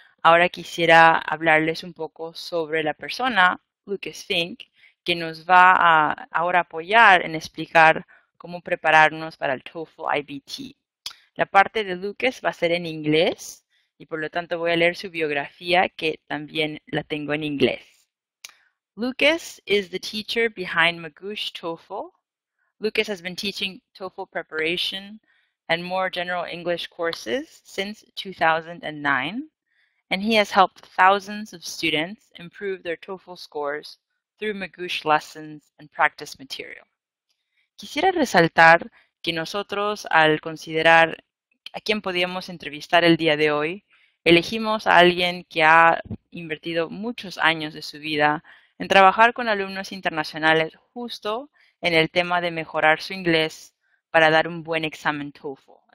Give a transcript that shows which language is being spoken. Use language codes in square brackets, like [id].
[es] Ahora quisiera hablarles un poco sobre la persona, Lucas Fink, que nos va a ahora apoyar en explicar cómo prepararnos para el TOEFL-iBT. La parte de Lucas va a ser en inglés y por lo tanto voy a leer su biografía, que también la tengo en inglés. [en] Lucas is the teacher behind Magoosh TOEFL. Lucas has been teaching TOEFL preparation and more general English courses since 2009. And he has helped thousands of students improve their TOEFL scores through Magoosh lessons and practice material. [es] Quisiera resaltar que nosotros, al considerar a quién podíamos entrevistar el día de hoy, elegimos a alguien que ha invertido muchos años de su vida en trabajar con alumnos internacionales justo en el tema de mejorar su inglés para dar un buen examen TOEFL.